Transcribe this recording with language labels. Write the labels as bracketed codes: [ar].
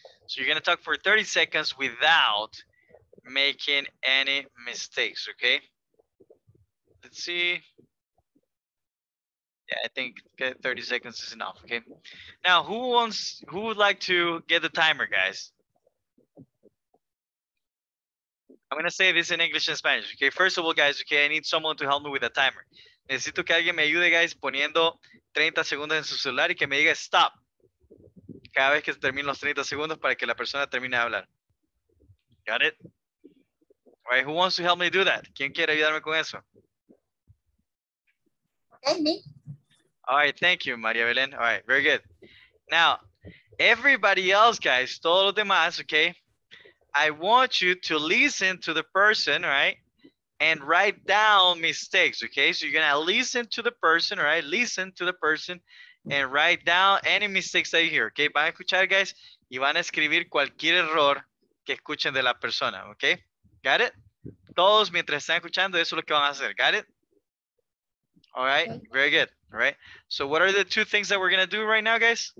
[en] So you're going to talk for 30 seconds without making any mistakes, okay? Let's see. Yeah, I think 30 seconds is enough, okay? Now, who would like to get the timer, guys? I'm going to say this in English and Spanish, okay? First of all, guys, okay, I need someone to help me with a timer. [es] Necesito que alguien me ayude, guys, poniendo 30 segundos en su celular y que me diga stop cada vez que termine los 30 segundos para que la persona termine de hablar. [en] Got it? All right, who wants to help me do that? [es] ¿Quién quiere ayudarme con eso? [en] Okay, me. All right, thank you, María Belén. All right, very good. Now, everybody else, guys, [es] todos los demás, [en] okay, I want you to listen to the person, right? And write down mistakes, okay? So you're gonna listen to the person, right? Listen to the person and write down any mistakes that you hear, okay? [es] Van a escuchar, guys, y van a escribir cualquier error que escuchen de la persona, okay? [en] Got it? [es] Todos mientras están escuchando, eso es lo que van a hacer, [en] got it? All right, very good, all right? So what are the two things that we're gonna do right now, guys?